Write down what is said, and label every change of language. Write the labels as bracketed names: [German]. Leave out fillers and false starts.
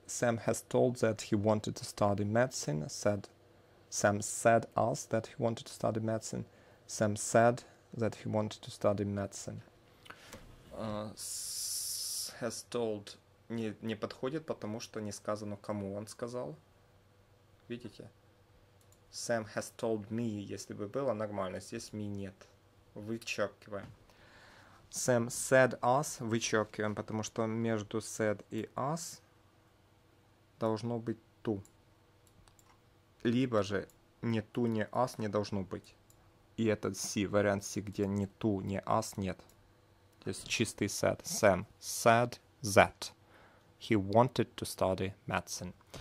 [English] Sam has told that he wanted to study medicine. Sam said us that he wanted to study medicine. Sam said that he wanted to study medicine. Has told [Russian] не подходит, потому что не сказано, кому он сказал. Видите? [English] Sam has told me, [Russian] если бы было нормально, здесь me нет. Вычеркиваем. [English] Sam said us, [Russian] вычеркиваем, потому что между said и us должно быть to. Либо же ни to, ни us не должно быть. И этот C, вариант C, где ни to, ни us нет. То есть чистый said. [English] Sam said that he wanted to study medicine.